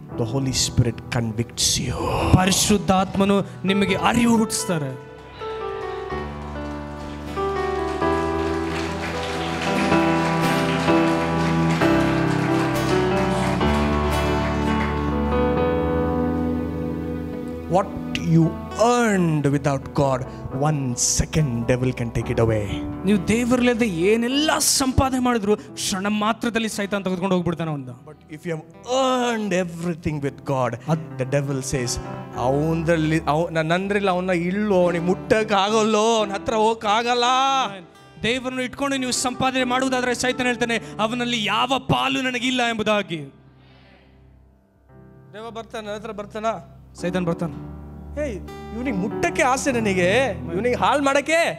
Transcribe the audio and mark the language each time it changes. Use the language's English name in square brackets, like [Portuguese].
[English] the Holy Spirit convicts you, [Kannada] ಪರಿಶುದ್ಧಾತ್ಮನು ನಿಮಗೆ ಅರಿವು ಹುಟ್ಟಿಸ್ತಾರೆ. [English] What you earned without God, one second devil can take it away. [Kannada] ನೀವು ದೇವರಲ್ಲದೆ ಏನೆಲ್ಲ ಸಂಪಾದನೆ ಮಾಡಿದ್ರು ಕ್ಷಣ ಮಾತ್ರದಲ್ಲಿ ಸೈತಾನ್ ತೆಗೆದುಕೊಂಡು ಹೋಗ್ಬಿಡ್ತಾನೆ ಒಂದು. [English] But if you have earned everything with God, the devil says, [Kannada] ಅವನಲ್ಲಿ ನನ್ನಿಲ್ಲ ಅವನ ಇಲ್ಲೋ ನೀವು ಮುಟ್ಟಕ್ಕಾಗಲ್ಲ ಅವನ ಹತ್ರ ಹೋಗಕ್ಕಾಗಲ್ಲ. ದೇವರನ್ನು ಇಟ್ಕೊಂಡು ನೀವು ಸಂಪಾದನೆ ಮಾಡುವುದಾದ್ರೆ ಸೈತಾನ್ ಹೇಳ್ತಾನೆ ಅವನಲ್ಲಿ ಯಾವ ಪಾಲು ನನಗಿಲ್ಲ ಎಂಬುದಾಗಿ. ದೇವ ಬರ್ತಾನೆ ನನ್ನ ಹತ್ರ ಬರ್ತಾನ ಸೈತಾನ್ ಬರ್ತಾನ. ಏಯ್ ಇವನಿಗೆ ಮುಟ್ಟಕ್ಕೆ ಆಸೆ, ನನಗೆ ಇವನಿಗೆ ಹಾಲು ಮಾಡಕ್ಕೆ